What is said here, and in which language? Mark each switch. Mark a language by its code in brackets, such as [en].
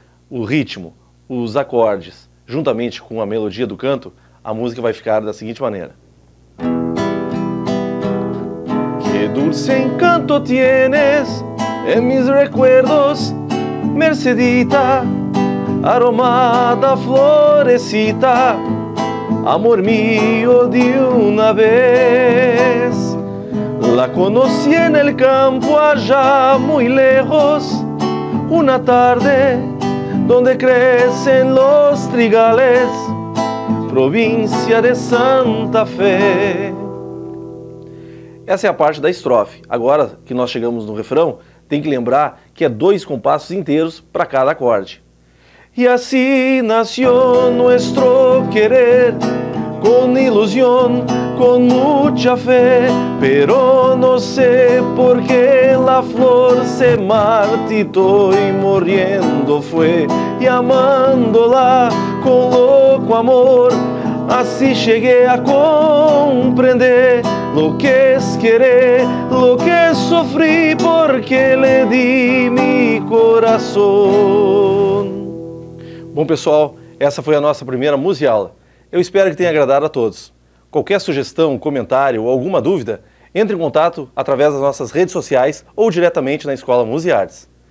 [pt] O ritmo, os acordes, juntamente com a melodia do canto, a música vai ficar da seguinte maneira. [es] Que dulce encanto tienes en mis recuerdos, Mercedita, aromada florecita, amor mío de una vez. La conocí en el campo allá muy lejos, una tarde donde crecen los trigales, provincia de Santa Fe. [pt] Essa é a parte da estrofe. Agora que nós chegamos no refrão, tem que lembrar que é dois compassos inteiros para cada acorde. E assim nasceu [es] nuestro querer, con ilusión, con mucha fe, pero no sé por qué la flor se marchitó y muriendo fue, y amándola con loco amor, así llegué a comprender lo que es querer, lo que sufrí, porque le di mi corazón. [pt] Bom, pessoal, essa foi a nossa primeira musiala. Eu espero que tenha agradado a todos. Qualquer sugestão, comentário ou alguma dúvida, entre em contato através das nossas redes sociais ou diretamente na Escola Música e Artes.